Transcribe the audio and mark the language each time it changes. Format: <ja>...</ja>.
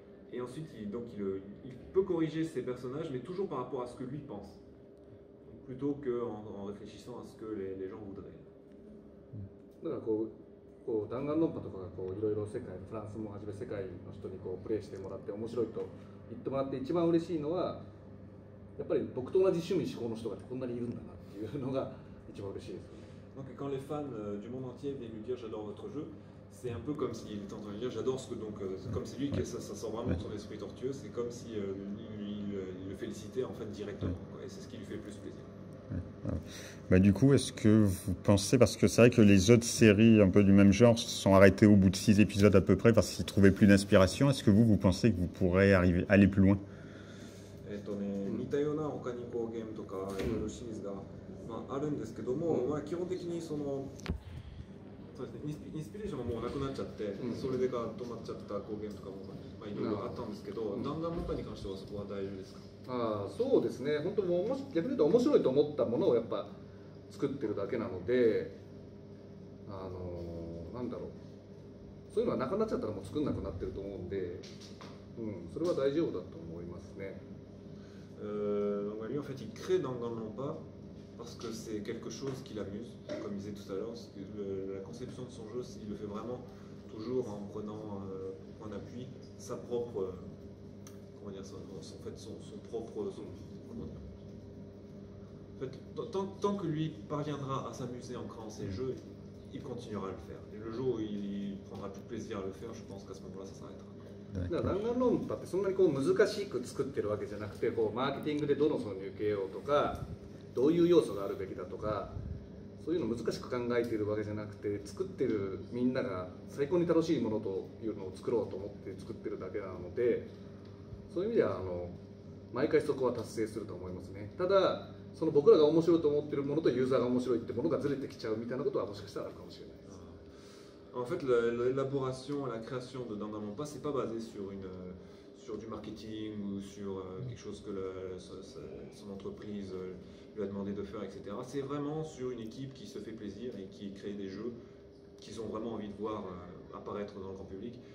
<fr>Et ensuite, il peut corriger ses personnages, mais toujours par rapport à ce que lui pense, plutôt qu'en réfléchissant à ce que les gens voudraient.</fr> <ja>だからこう弾丸論破とかがこういろいろ世界、フランスもはじめ世界の人にこうプレイしてもらって面白いと言ってもらって、一番嬉しいのはやっぱり僕と同じ趣味嗜好の人がこんなにいるんだなっていうのが一番嬉しいですよね。</ja> <fr>Donc, quand les fans du monde entier viennent lui dire j'adore votre jeu, c'est un peu comme s'il était en train de dire j'adore ce que donc, comme c'est lui que ça sort vraiment de son esprit tortueux, c'est comme si il le félicitait en fait directement, quoi. Et c'est ce qui lui fait le plus plaisir. Bah du coup, est-ce que vous pensez, parce que c'est vrai que les autres séries un peu du même genre se sont arrêtées au bout de 6 épisodes à peu près parce qu'ils ne trouvaient plus d'inspiration, est-ce que vous pensez que vous pourrez arriver aller plus loin?</fr> <ja>似たような他にこうゲームとかいろいろシリーズが、まあ、あるんですけども、まあ、基本的にその、そうですね、インスピレーションももうなくなっちゃって、それでが止まっちゃったこうゲームとかも、まあ、いろいろあったんですけど、弾丸文化に関してはそこは大丈夫ですか？ああそうですね、本当に逆に言うと面白いと思ったものをやっぱ作ってるだけなので、なんだろう、そういうのがなくなっちゃったらもう作んなくなってると思うんで、うん、それは大丈夫だと思いますね。</ja> <fr>Donc lui en fait il crée dans Ganlampa parce que c'est quelque chose qui l'amuse, comme il disait tout à l'heure, la conception de son jeu, il le fait vraiment toujours en prenant en appui sa propre, comment dire, en fait son propre, comment dire. En fait, tant que lui parviendra à s'amuser en créant ses jeux, il continuera à le faire. Et le jour où il prendra plus plaisir à le faire, je pense qu'à ce moment-là, ça s'arrêtera.</fr> <ja>だから弾丸論破ってそんなにこう難しく作ってるわけじゃなくて、こうマーケティングでどの層に受けようとか、どういう要素があるべきだとか、そういうの難しく考えているわけじゃなくて、作ってるみんなが最高に楽しいものというのを作ろうと思って作ってるだけなので、そういう意味では毎回そこは達成すると思いますね。ただその僕らが面白いと思っているものとユーザーが面白いってものがずれてきちゃうみたいなことはもしかしたらあるかもしれない。</ja> <fr>En fait, l'élaboration, la création de Dandamonpa, ce n'est pas basé sur du marketing ou sur quelque chose que son entreprise lui a demandé de faire, etc. C'est vraiment sur une équipe qui se fait plaisir et qui crée des jeux qu'ils ont vraiment envie de voir apparaître dans le grand public.</fr>